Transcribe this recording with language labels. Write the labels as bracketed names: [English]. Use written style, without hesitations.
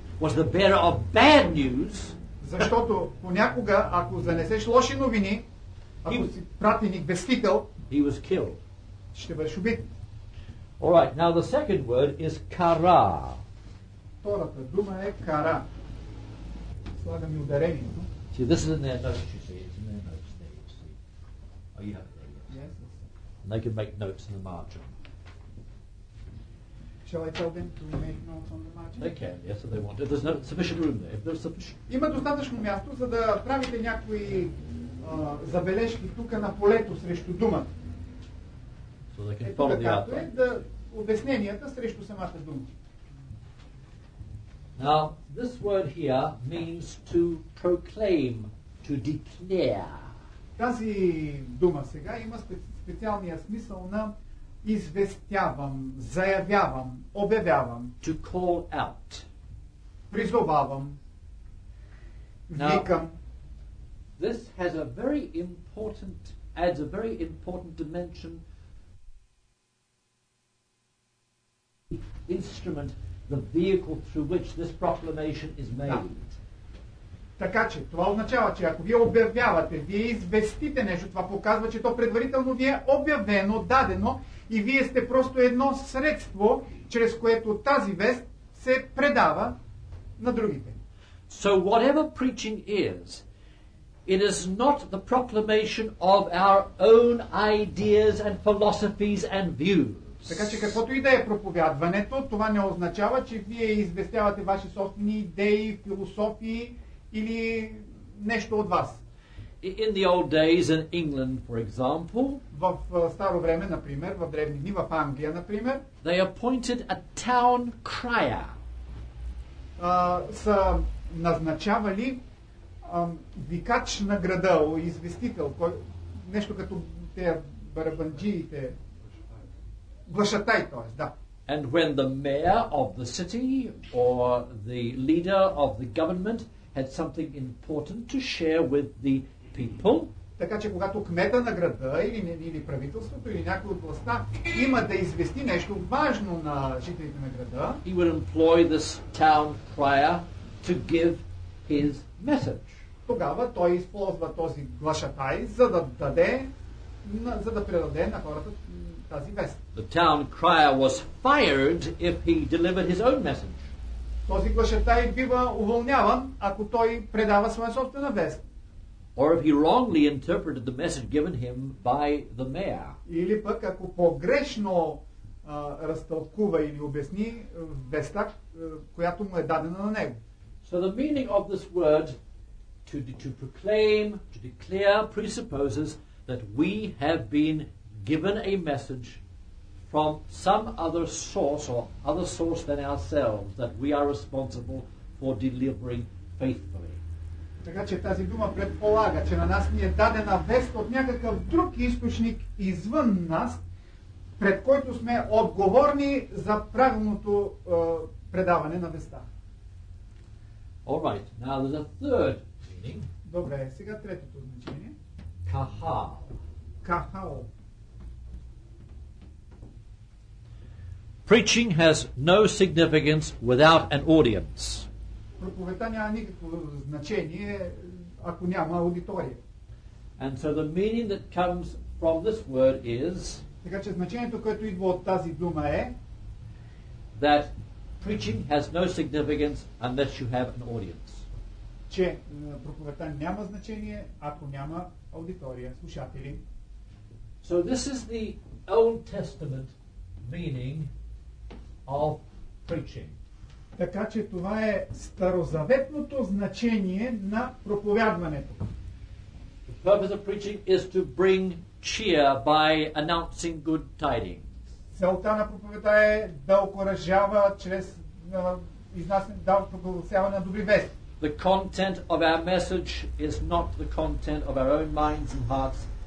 [English] was the bearer of bad news. [Bulgarian] Защото понякога, ако занесеш лоши новини, ако си пратеник, вестител, [English] he was killed. [Bulgarian] Ще бъдеш убит. [English] All right, now the second word is kara. [Bulgarian] Втората дума е kara. Слагам и ударението. [English] See, this is in their notes, you see. It's in their notes there, you see. Oh, you have it there, yes. And they can make notes in the margin. Shall I tell them to make notes on the margin? They can, yes, if they want. If there's no sufficient room there, if there's sufficient. [Bulgarian] Има достатъчно място, за да правите някои забележки тук на полето срещу думата. [English] So they can follow the outline. [Bulgarian] Да, обясненията срещу самата дума. [English] Now, this word here means to proclaim, to declare. [Bulgarian] Тази дума сега има специалния смисъл на известявам, заявявам, обявявам. [English] To call out. [Bulgarian] Призовавам. Викам. [English] This has a very important, adds a very important dimension. The instrument, the vehicle through which this proclamation is made. [Bulgarian] Така че това означава, че ако вие обявявате, вие известите нещо, това показва, че то предварително ви е обявено, дадено и вие сте просто едно средство, чрез което тази вест се предава на другите. [English] So whatever preaching is, it is not the proclamation of our own ideas and philosophies and views. [Bulgarian] Така че каквото и да е проповядването, това не означава, че вие известявате ваши собствени идеи, философии или нещо от вас. [English] In the old days in England, for example, [Bulgarian] в старо време, например, в древни дни, в Англия, например, [English] they appointed a town crier. [Bulgarian] Са назначавали викач на града, известител, кой, нещо като те барабанджиите. Глашатай, т.е. да. [English] And when the mayor of the city or the leader of the government had something important to share with the people, [Bulgarian] така че когато кмета на града или правителството или някой от властта има да извести нещо важно на жителите на града, [English] he would employ this town crier to give his message. [Bulgarian] Тогава той използва този глашатай, за да даде, за да предаде на хората тази вест. [English] The town crier was fired if he delivered his own message. [Bulgarian] Този глашатай бива уволняван, ако той предава своя собствена вест. [English] Or if he wrongly interpreted the message given him by the mayor. [Bulgarian] Или пък ако погрешно разтълкува или обясни веста, която му е дадена на него. [English] So the meaning of this word to proclaim, to declare presupposes that we have been given a message from some other source or other source than ourselves that we are responsible for delivering faithfully. [Bulgarian] Така че тази дума предполага, че на нас ни е дадена вест от някакъв друг източник извън нас, пред който сме отговорни за правилното предаване на веста. [English] All right, now there's a third meaning. [Bulgarian] Добре, сега третото значение. [Hebrew] Kahal. Kahal. [English] Preaching has no significance without an audience. [Bulgarian] Проповедта няма никакво значение, ако няма аудитория. [English] And so the meaning that comes from this word is, [Bulgarian] така че значението, което идва от тази дума е, [English] that preaching has no significance unless you have an audience. [Bulgarian] Че проповедта няма значение, ако няма аудитория, слушатели. [English] So this is the Old Testament meaning of preaching. [Bulgarian] Така че това е старозаветното значение на проповядването. [English] The purpose of preaching is to bring cheer by announcing good tidings. [Bulgarian] Целта на проповедта е да окоръжава чрез изнасяне на добри вести. [English] The content of our message is not the content of our own minds and hearts.